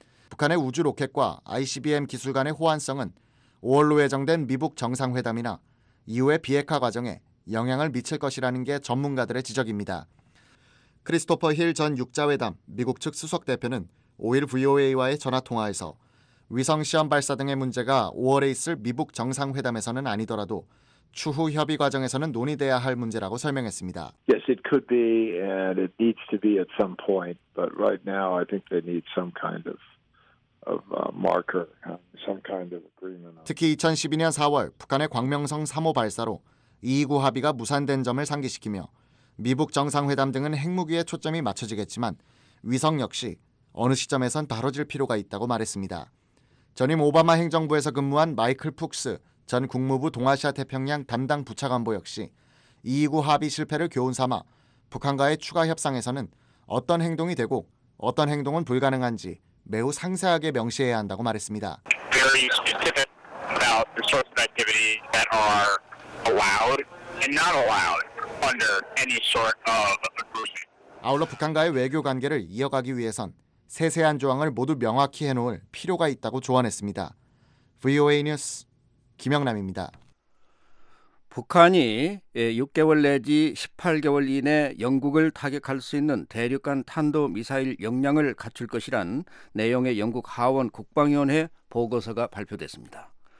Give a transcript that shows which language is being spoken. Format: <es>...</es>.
<ko>북한의 우주 로켓과 ICBM 기술 간의 호환성은 5월로 예정된 미북 정상회담이나 이후의 비핵화 과정에 영향을 미칠 것이라는 게 전문가들의 지적입니다. 크리스토퍼 힐 전 육자회담 미국 측 수석대표는 5일 VOA와의 전화통화에서 위성시험 발사 등의 문제가 5월에 있을 미북 정상회담에서는 아니더라도 추후 협의 과정에서는 논의돼야 할 문제라고 설명했습니다.</ko> <en>Yes, it could be and it needs to be at some point. But right now, I think they need some kind of marker, some kind of agreement.</en> <ko>특히 2012년 4월 북한의 광명성 3호 발사로 229 합의가 무산된 점을 상기시키며 미북 정상회담 등은 핵무기에 초점이 맞춰지겠지만 위성 역시 어느 시점에선 다뤄질 필요가 있다고 말했습니다. 전임 오바마 행정부에서 근무한 마이클 푹스 전 국무부 동아시아 태평양 담당 부차관보 역시 229 합의 실패를 교훈 삼아 북한과의 추가 협상에서는 어떤 행동이 되고 어떤 행동은 불가능한지 매우 상세하게 명시해야 한다고 말했습니다.</ko> <en>Very specific about the sorts of activities that are allowed and not allowed under any sort of agreement.</en> <ko>아울러 북한과의 외교 관계를 이어가기 위해선 세세한 조항을 모두 명확히 해놓을 필요가 있다고 조언했습니다. VOA 뉴스 김영남입니다. 북한이 6개월 내지 18개월 이내 영국을 타격할 수 있는 대륙간 탄도미사일 역량을 갖출 것이란 내용의 영국 하원 국방위원회 보고서가 발표됐습니다.</ko>